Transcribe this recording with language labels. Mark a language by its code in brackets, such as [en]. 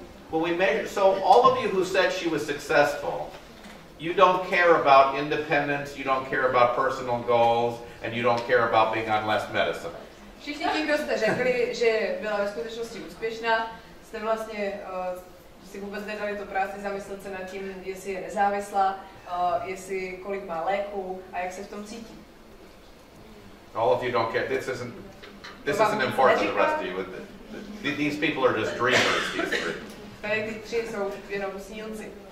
[en] When we measure, so all of you who said she was successful, you don't care about independence, you don't care about personal goals, and you don't care about being on less medicine. [cs] Všichni ti, kdo jste řekli, že byla ve skutečnosti úspěšná, jste vlastně si vůbec nedali to práci zamyslet se nad tím, jestli je nezávislá. Jestli kolik má léku a jak se v tom cítí. [en] All of you don't care. This isn't important to the rest of you. These people are just dreamers. [cs] Ty tři jsou jenom snílci.